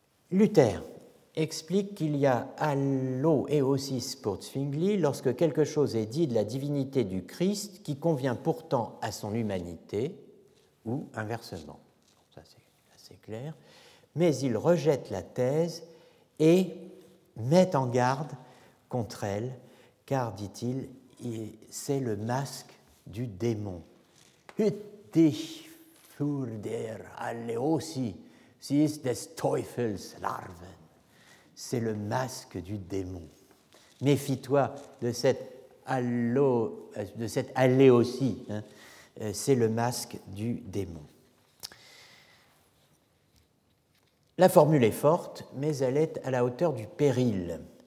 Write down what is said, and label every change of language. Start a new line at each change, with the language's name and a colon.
French: Luther explique qu'il y a alloeosis pour Zwingli lorsque quelque chose est dit de la divinité du Christ qui convient pourtant à son humanité, ou inversement. Ça, c'est assez clair. Mais il rejette la thèse et met en garde contre elle, car, dit-il, c'est le masque du démon.
German: Hüt dich für der alloeosis, si ist des Teufels larve.
French: C'est le masque du démon. Méfie-toi de cette alloeosis, hein. C'est le masque du démon. La formule est forte, mais elle est à la hauteur du péril.